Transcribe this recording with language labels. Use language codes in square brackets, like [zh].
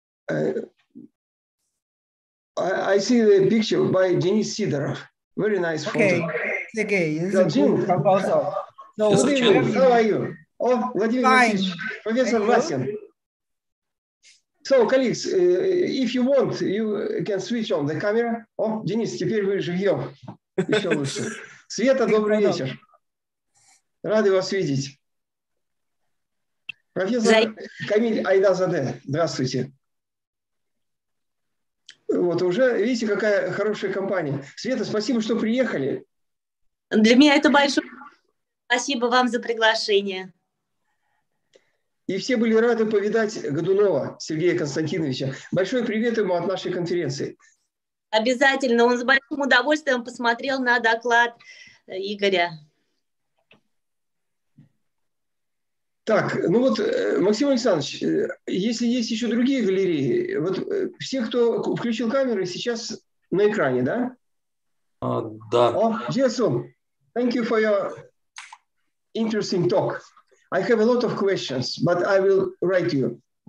[en] I see the picture by Denis Sidorov. Very nice photo. Okay, it's a good proposal. How are you? Oh, Vladimir Vasilyevich, Professor Vasin. So, colleagues, if you want, you can switch on the camera. [ru] Oh, Денис, теперь вы живьем. Еще лучше. Света, добрый вечер. Рады вас видеть. Профессор Камиль Айдазаде, здравствуйте. Вот уже, видите, какая хорошая компания. Света, спасибо, что приехали. Для меня это большое спасибо вам за приглашение. И все были рады повидать Годунова Сергея Константиновича. Большой привет ему от нашей конференции. Обязательно. Он с большим удовольствием посмотрел на доклад Игоря. Так, ну вот, Максим Александрович, если есть еще другие галереи, вот все, кто включил камеры, сейчас на экране, да? Да. [en] Oh, Jason, thank you for your interesting talk. I have a lot of questions, but I will write you.